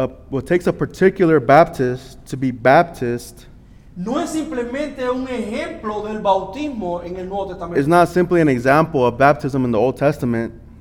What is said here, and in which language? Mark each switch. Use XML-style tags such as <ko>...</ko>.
<en>What takes a particular Baptist to be Baptist?</en> <es>No es simplemente un ejemplo del bautismo en el Nuevo Testamento.</es> <en>It's not simply an example of baptism in the Old Testament.</en>